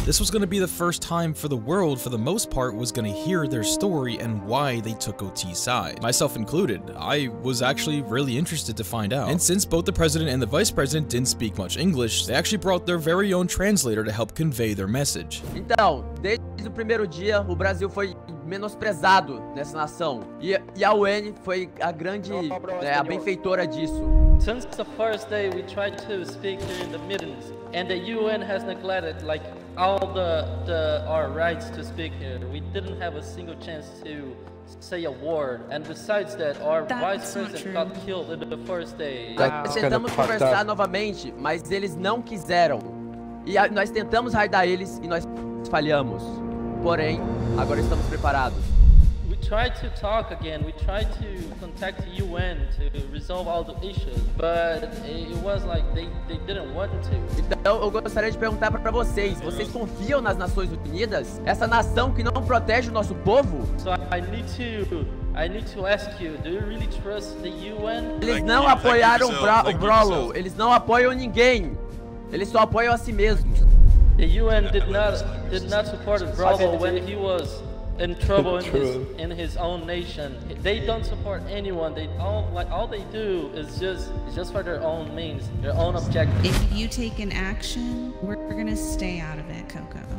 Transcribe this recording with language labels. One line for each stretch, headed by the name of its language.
English: This was going to be the first time for the world, for the most part, was going to hear their story and why they took OT's side. Myself included, I was actually really interested to find out. And since both the president and the vice president didn't speak much English, they actually brought their very own translator to help convey their message.
Portuguese: Então, desde o primeiro dia, o Brasil foi menosprezado nessa nação. E a UN foi a grande, né, a benfeitora disso.
English: Since the first day we tried to speak during the meetings, and the UN has neglected like all the our rights to speak here. We didn't have a single chance to say a word. And besides that, our That's vice president got killed in the first day. Wow.
Portuguese: Nós tentamos conversar novamente, mas eles não quiseram. E nós tentamos raidar eles e nós falhamos. Porém, agora estamos preparados.
English: We tried to talk again, we tried to contact the UN to resolve all the issues, but it was like they didn't want to.
Portuguese: Então, eu gostaria de perguntar para vocês confiam nas Nações Unidas? Essa nação que não protege o nosso povo?
English: So I need to ask you, do you really trust the UN?
Portuguese: Eles não apoiaram o Brollow, eles não apoiam ninguém. Eles só apoiam a si mesmos.
English: The UN did not support Brollow when he was in trouble in his own nation. They don't support anyone. They all like all they do is just for their own means, their own objectives. If you take an action, we're gonna stay out of it, Coco.